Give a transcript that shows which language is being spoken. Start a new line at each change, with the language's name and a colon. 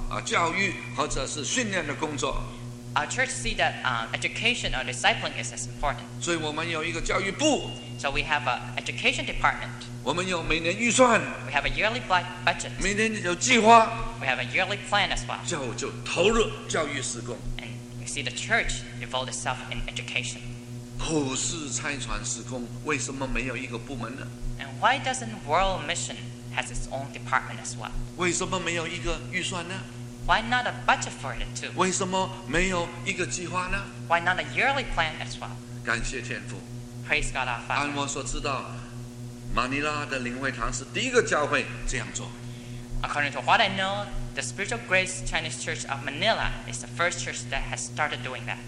Chinese: 我们教会看重教导、教育或者是训练的工作。
English: Our church see that education or discipling is as important.
Chinese: 所以我们有一个教育部。
English: So we have an education department.
Chinese: 我们有每年预算。
English: We have a yearly budget.
Chinese: 每年有计划。
English: We have a yearly plan as well.
Chinese: 就投入教育事工。
English: And we see the church involve itself in education.
Chinese: 普世参传事工为什么没有一个部门呢？
English: And why doesn't World Mission has its own department as well?
Chinese: 为什么没有一个预算呢？
English: Why not a budget for it too?
Chinese: 为什么没有一个计划呢？
English: Why not a yearly plan as well?
Chinese: 感谢天父。
English: Praise God our Father.
Chinese: 按我所知道, 马尼拉的灵会堂是第一个教会这样做。
English: According to what I know, the Spiritual Grace Chinese Church of Manila is the first church that has started doing that.